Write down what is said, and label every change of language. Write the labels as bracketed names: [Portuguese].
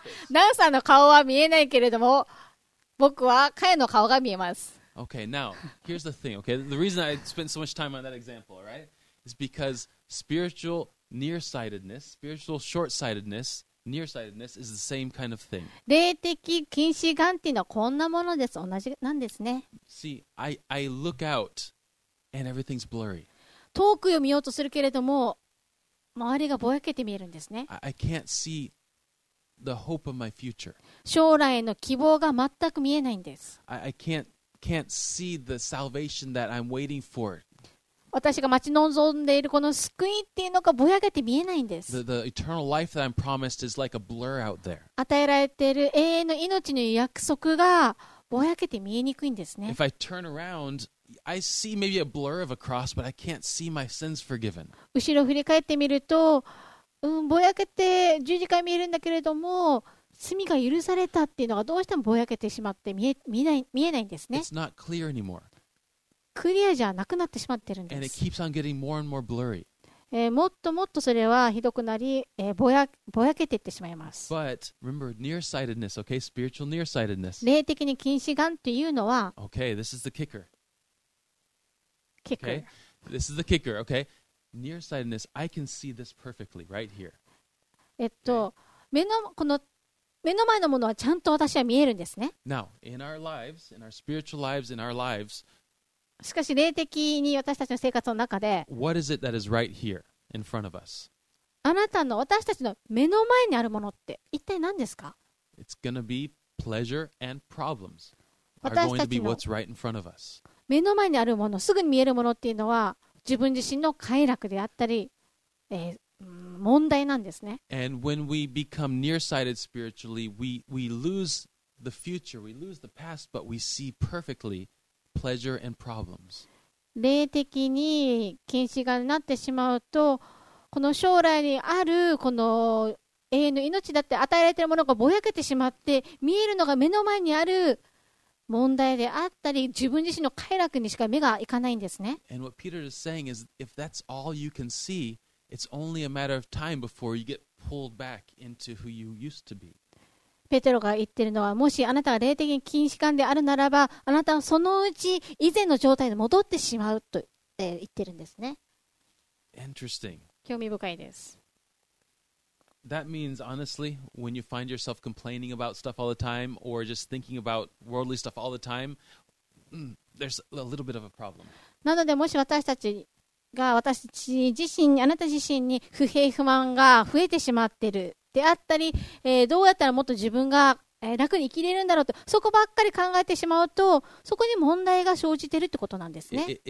[Japanese] ナウさんの顔は見えないけれども、僕は彼の顔が見えます。 [English] Okay, now, here's the thing, okay? The reason I spent so much time on that example, right? Is because spiritual nearsightedness, spiritual short-sightedness,Nearsightedness is the same kind of thing. [Japanese] 霊的近視眼っていうのはこんなものです。同じなんですね。 [English] See, I look out and everything's blurry. [Japanese] 遠くを見ようとするけれども、周りがぼやけて見えるんですね。 [English] I can't see the hope of my future. [Japanese] 将来の希望が全く見えないんです。 [English] I can't see the salvation that I'm waiting for. [Japanese] 私が待ち望んでいるこの救いっていうのがぼやけて見えないんです。 [English] The eternal life that I'm promised is like a blur out there. [Japanese] 与えられている永遠の命の約束がぼやけて見えにくいんですね。 [English] If I turn around, I see maybe a blur of a cross, but I can't see my sins forgiven. [Japanese] 後ろ振り返ってみると、ぼやけて十字架見えるんだけれども、罪が許されたっていうのがどうしてもぼやけてしまって見えないんですね。 [English] It's not clear anymore. [Japanese] クリアじゃなくなってしまってるんです。 [English] And it keeps on getting more and more blurry. [Japanese] もっともっとそれはひどくなり、ぼやけていってしまいます。 [English] But remember, nearsightedness, okay? Spiritual nearsightedness. [Japanese] 霊的に近視眼というのは、 [English] Okay, this is the kicker. Kicker. Okay? This is the kicker, okay? Nearsightedness, I can see this perfectly right here. Okay. [Japanese] 目の前のものはちゃんと私は見えるんですね。 [English] Now, in our lives, in our spiritual lives, in our lives, [Japanese] しかし霊的に私たちの生活の中で [English] What is it that is right here in front of us? [Japanese] あなたの私たちの目の前にあるものって一体何ですか? [English] It's going to be pleasure and problems are going to be what's right in front of us. [Japanese] 目の前にあるもの、すぐに見えるものっていうのは自分自身の快楽であったり、問題なんですね。 [English] And when we become nearsighted spiritually, we lose the future, we lose the past, but we see perfectlyPleasure and problems. [Japanese] 霊的に近視眼になってしまうと、この将来にあるこの永遠の命だって与えられているものがぼやけてしまって、見えるのが目の前にある問題であったり、自分自身の快楽にしか目がいかないんですね。 [English] And what Peter is saying is, if that's all you can see, it's only a matter of time before you get pulled back into who you used to be. [Japanese] ペテロが言ってるのは、もしあなたが霊的に近視眼であるならば、あなたはそのうち以前の状態に戻ってしまうと言ってるんですね。 [English] Interesting. [Japanese] 興味深いです。 [English] That means, honestly, when you find yourself complaining about stuff all the time, or just thinking about worldly stuff all the time, there's a little bit of a problem. [Japanese] なので、もし私たちが、私自身、あなた自身に不平不満が増えてしまってるであったり、どうやったらもっと自分が、楽に生きれるんだろうと、そこばっかり考えてしまうと、そこに問題が生じてるってことなんですね。